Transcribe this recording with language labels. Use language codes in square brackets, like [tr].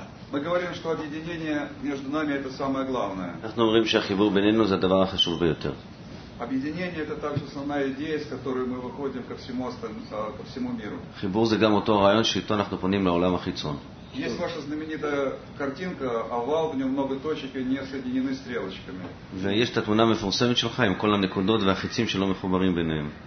[ru] Мы говорим, что объединение между нами это самое главное. [he] אנחנו אומרים שהחיבור בינינו זה הדבר החשוב ביותר. [ru] Объединение это также основная идея, с которой мы выходим ко всему остальному, ко всему миру. [he] חיבור זה גם אותו רעיון שאיתו אנחנו פונים לעולם החיצון. [ru] Есть ваша знаменитая картинка, овал, в нем много точек и не соединены стрелочками. [he] ויש את התמונה המפורסמת שלך עם כל הנקודות והחיצים שלא מחוברים ביניהם.